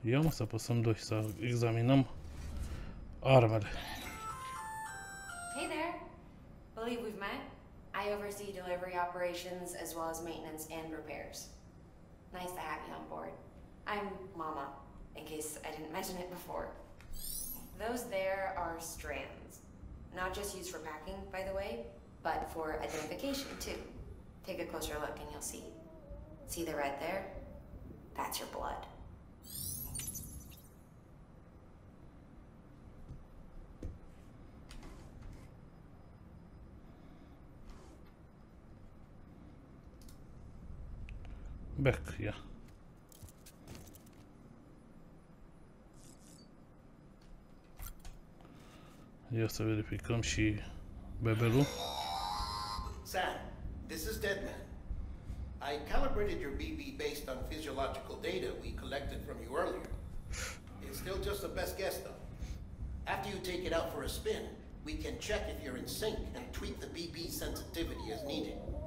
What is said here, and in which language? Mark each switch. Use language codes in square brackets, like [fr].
[ro] Să apăsăm 2 să examinăm armele. [en] Hey there. Believe we've met. I oversee delivery operations as well as maintenance and repairs. Nice to have you on board. I'm Mama, in case I didn't mention it before. Those there are strands. Not just used for packing, by the way, but for identification too. Take a closer look and you'll see. See the red there? That's your blood. Back, yeah. [ro] Ia să verificăm și bebelul. [en] Sam, this is Deadman. I calibrated your BB based on physiological data we collected from you earlier. It's still just the best guess, though. After you take it out for a spin, we can check if you're in sync and tweak the BB sensitivity as needed.